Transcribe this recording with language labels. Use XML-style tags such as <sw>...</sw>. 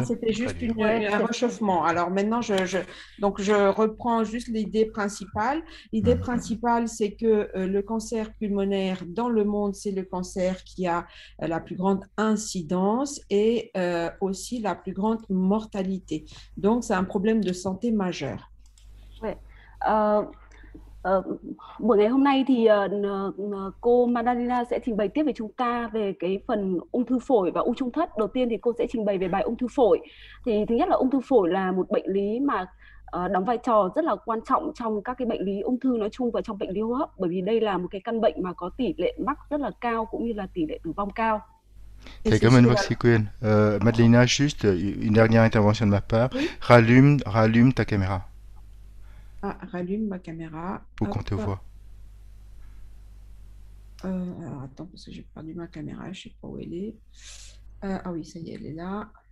<fr>Oui, non, c'était juste un réchauffement. Alors maintenant, je reprends juste l'idée principale. L'idée principale, c'est que le cancer pulmonaire dans le monde, c'est le cancer qui a la plus grande incidence et aussi la plus grande mortalité. Donc, c'est un problème de santé majeur. Oui.</fr> <vi>Buổi ngày hôm nay thì cô Madalina sẽ trình bày tiếp với chúng ta về cái phần ung thư phổi và u trung thất. Đầu tiên thì cô sẽ trình bày về bài ung thư phổi. Thì thứ nhất là ung thư phổi là một bệnh lý mà đóng vai trò rất là quan trọng trong các cái bệnh lý ung thư nói chung và trong bệnh lý hô hấp, bởi vì đây là một cái căn bệnh mà có tỷ lệ mắc rất là cao cũng như là tỷ lệ tử vong cao.</vi> <fr>Okay, comme une vaccine. Madalina, juste une dernière intervention de ma part. Oui? Rallume ta caméra. Ah, rallume ma caméra. Pour compter aux voix. Alors, attends, parce que j'ai perdu ma caméra, je ne sais pas où elle est. Ah oui, ça y est, elle est là.</fr>